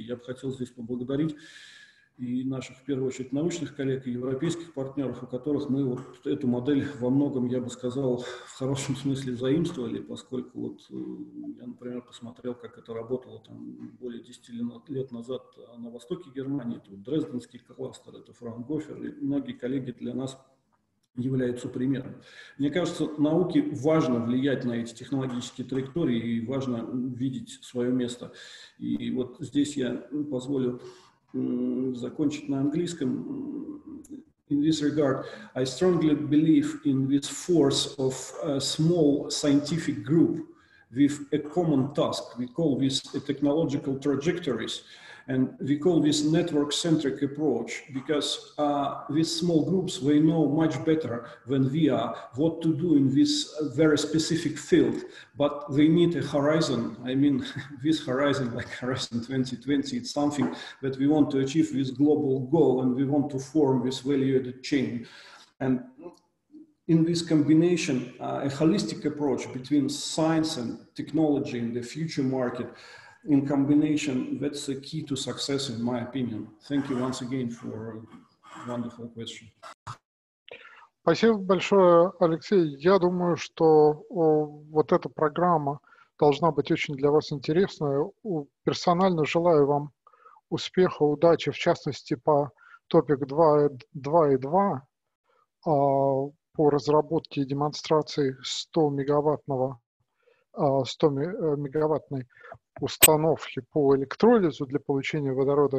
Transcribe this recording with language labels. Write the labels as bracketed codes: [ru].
[ru] Я бы хотел здесь поблагодарить и наших, в первую очередь, научных коллег и европейских партнеров, у которых мы вот эту модель во многом, я бы сказал, в хорошем смысле заимствовали, поскольку вот я, например, посмотрел, как это работало там более 10 лет назад на востоке Германии, это вот Дрезденский кластер, это Фраунгофер, и многие коллеги для нас являются примером. Мне кажется, науке важно влиять на эти технологические траектории и важно видеть свое место. И вот здесь я позволю закончить на английском. [en] In this regard, I strongly believe in this force of a small scientific group with a common task. We call this a technological trajectories. And we call this network-centric approach because these small groups, they know much better than we are what to do in this very specific field, but they need a horizon. I mean, this horizon, like Horizon 2020, it's something that we want to achieve this global goal and we want to form this value-added chain. And in this combination, a holistic approach between science and technology in the future market in combination, that's the key to success, in my opinion. Thank you once again for a wonderful question. [ru] Спасибо большое, Алексей. Я думаю, что вот эта программа должна быть очень для вас интересной. Персонально желаю вам успеха, удачи, в частности, по топик 2.2, по разработке и демонстрации 100-мегаваттной установки по электролизу для получения водорода.